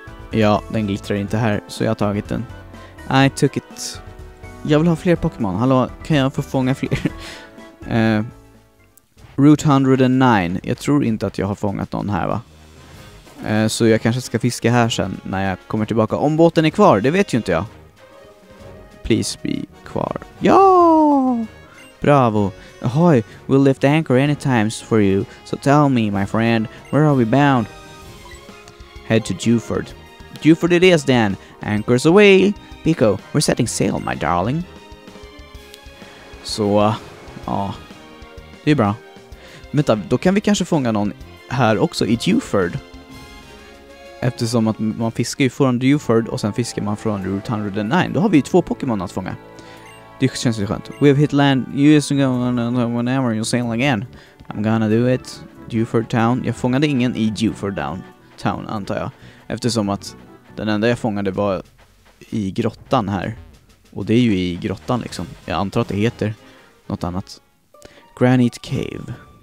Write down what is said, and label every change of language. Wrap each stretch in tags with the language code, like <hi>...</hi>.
<sv>Ja, den glittrar inte här, så jag har tagit den.</sv> <en>I took it.</en> <sv>Jag vill ha fler Pokémon. Hallå, kan jag få fånga fler? Route 109. Jag tror inte att jag har fångat någon här, va? Så jag kanske ska fiska här sen när jag kommer tillbaka. Om båten är kvar, det vet ju inte jag.</sv> <en>Please be kvar. Ja! Bravo. Ahoy, we'll lift anchor any times for you. So tell me, my friend, where are we bound? Head to Dewford. Dewford it is, then. Anchors away. Pico, we're setting sail, my darling.</en> <sv>Så, det är bra. Vänta, då kan vi kanske fånga någon här också i Dewford. Eftersom att man fiskar ju från Dewford och sen fiskar man från Route 109. Då har vi ju två Pokémon att fånga. Det känns ju skönt.</sv> <en>We have hit land. You is going whenever you sail again. I'm gonna do it. Dewford Town.</en> <sv>Jag fångade ingen i Dewford Town, antar jag. Eftersom att den enda jag fångade var i grottan här. Och det är ju i grottan liksom. Jag antar att det heter något annat. Granite Cave.</sv>